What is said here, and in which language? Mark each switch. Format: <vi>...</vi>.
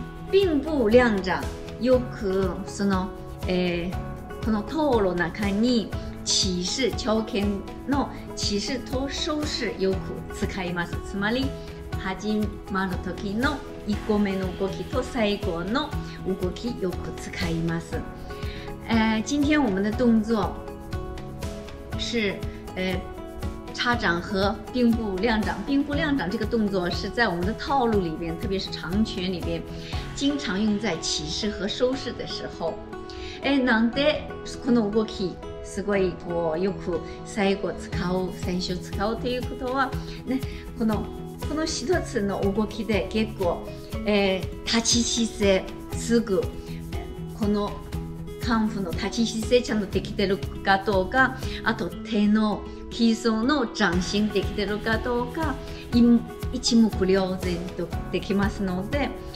<ja>并步亮掌よくそのこの道路の中に骑士朝見の骑士と手势よく使います。つまり始まる時の一個目の動きと最後の動きよく使います。</ja> <zh>今天我们的动作。是叉掌和并步亮掌，并步亮掌这个动作是在我们的套路里边，特别是长拳里边经常用在起势和收势的时候。</zh> <ja>なんでこの動きすごいとよく最後使う、最初使うということは、ね、この一つの動きで結構、立ち姿勢すぐこのカンフの立ち姿勢ちゃんとできてるかどうか、あと手の基礎の掌心できてるかどうか、一目瞭然とできますので、</ja>